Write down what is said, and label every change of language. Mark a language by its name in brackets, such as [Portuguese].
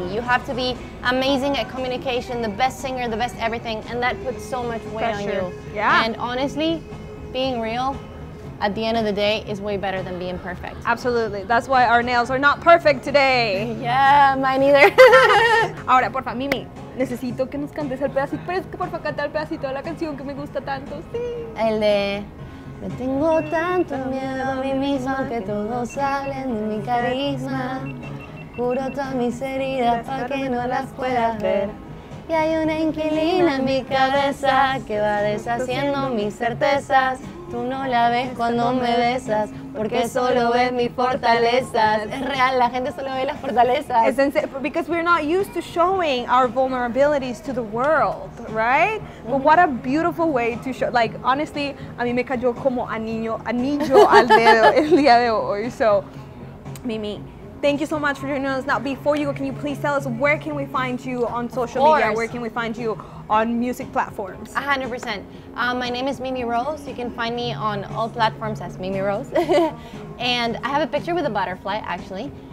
[English] You have to be amazing at communication, the best singer, the best everything. And that puts so much weight Pressure. On you. Yeah. And honestly, being real, at the end of the day, is way better than being perfect. Absolutely. That's why our nails are not perfect today. Yeah, mine either. [Spanish] Ahora, porfa, Mimi, necesito que nos cantes el pedacito. Pero es que porfa, canta el pedacito de la canción que me gusta tanto, sí. El de... Me tengo tanto miedo a mí mismo que todos hablen de mi carisma. Curo todas mis heridas para que no las pueda ver. Y hay una inquilina en mi cabeza que va deshaciendo mis certezas. Tú no la ves cuando me besas, porque solo ves mis fortalezas. Es real, la gente solo ve las fortalezas. [English] Because we're not used to showing our vulnerabilities to the world, right? Mm-hmm. But what a beautiful way to show. Like, honestly, [Spanish] a mí me cayó como anillo al dedo el día de hoy. [English] So, Mimi, thank you so much for joining us. Now, before you go, can you please tell us where can we find you on social media? Where can we find you on music platforms? 100%. My name is Mimi Rose. You can find me on all platforms as Mimi Rose. And I have a picture with a butterfly, actually.